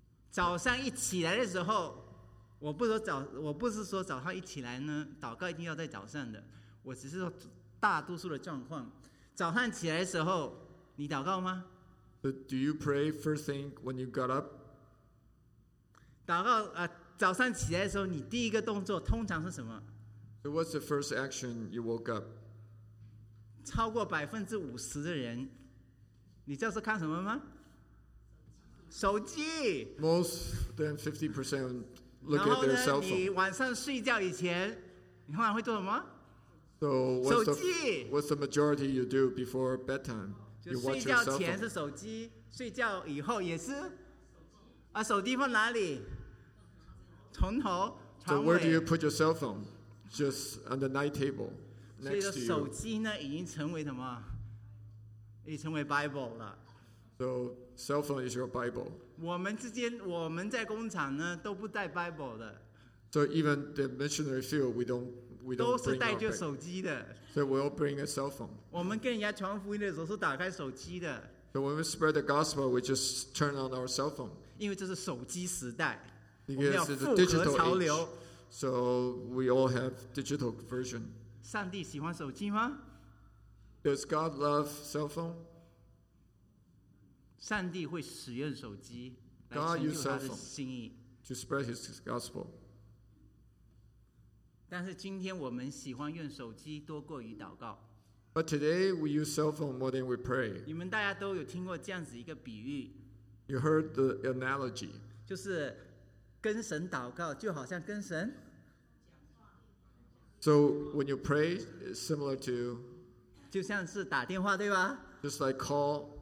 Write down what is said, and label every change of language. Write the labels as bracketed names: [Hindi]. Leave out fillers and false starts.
[Chinese] 早上一起来的时候，我不是说早上一起来呢，祷告一定要在早上的。我只是说大多数的状况，早上起来的时候，你祷告吗 [English] ？But do you pray first thing when you got up？ [Chinese] 祷告啊。早上起来的时候，你第一个动作通常是什么 [English] ？So what's the first action you woke up？ [Chinese] 超过50%的人，你知道是看什么吗？手机。 [English] Most than 50% look at their cell phone。 [Chinese] 然后呢，你晚上睡觉以前，你通常会做什么 [English] ？So what's the majority you do before bedtime？ [Chinese] 就睡觉前是手机，睡觉以后也是。啊，手机放哪里？从头常尾。 [English] So where do you put your cell phone? Just on the night table, next to you. [Chinese] 所以手机呢，已经成为什么？已成为 Bible 了。 [English] So cell phone is your Bible. [Chinese] 我们在工厂呢，都不带 Bible 的。 [English] So even the missionary field, we don't [Chinese] 都是带着手机的。 [English] So we all bring a cell phone. [Chinese] 我们跟人家传福音的时候是打开手机的。 [English] So when we spread the gospel, we just turn on our cell phone. [Chinese] 因为这是手机时代。 [English] Because it's a digital age, so we all have digital version. [Chinese] 上帝喜欢手机吗？ [English] Does God love cell phone? [Chinese] 上帝会使用手机来成就他的心意 [English] to spread His gospel. [Chinese] 但是今天我们喜欢用手机多过于祷告。 [English] But today we use cell phone more than we pray. [Chinese] 你们大家都有听过这样子一个比喻。 [English] You heard the analogy. [Chinese] 就是跟神祷告就好像跟神 [English] So when you pray, it's similar to [Chinese] 就像是打电话，对吧？ [English] Just like call.